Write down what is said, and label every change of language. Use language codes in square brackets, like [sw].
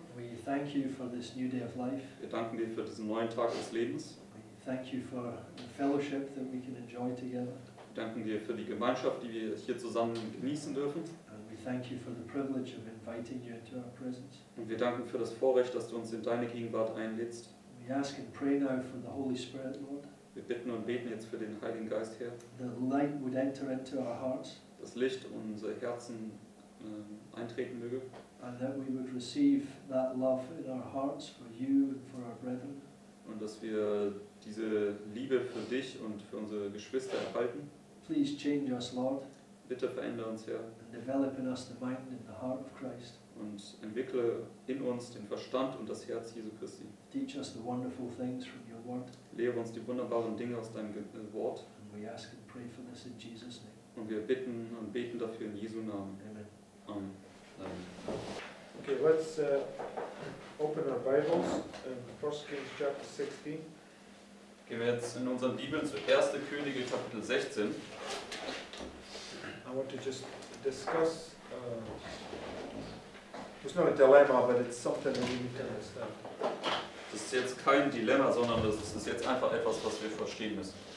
[en] we thank you for this new day of life. [de] Wir danken dir für diesen neuen Tag des Lebens. [en] We thank you for the fellowship that we can enjoy together. [de] Wir danken dir für die Gemeinschaft, die wir hier zusammen genießen dürfen. [en] And we thank you for the privilege of inviting you into our presence. [de] Und wir danken für das Vorrecht, dass du uns in deine Gegenwart einlädst. [en] We ask and pray now for the Holy Spirit, Lord. [de] Wir bitten und beten jetzt für den Heiligen Geist, Herr. [en] The light would enter into our hearts. [de] Das Licht in unsere Herzen eintreten möge. [en] And that we would receive that love in our hearts for you and for our brethren. [de] Und dass wir diese Liebe für dich und für unsere Geschwister erhalten. [en] Please change us, Lord. [de] Bitte verändere uns, Herr. [en] And develop in us the mind and the heart of Christ. [de] Und entwickle in uns den Verstand und das Herz Jesu Christi. [en] Teach us the wonderful things from your word. [de] Lehre uns die wunderbaren Dinge aus deinem Wort. [en] And we ask and pray for this in Jesus' name. [de] Und wir bitten und beten dafür in Jesu Namen. Amen. [en] Okay, let's open our Bibles in 1 Kings chapter 16. [de] Gehen wir jetzt in unseren Bibeln zu 1. Könige Kapitel 16. [en] I want to just discuss, it's not a dilemma, but it's something that we need to understand. [de] Das ist jetzt kein Dilemma, sondern das ist jetzt einfach etwas, was wir verstehen müssen.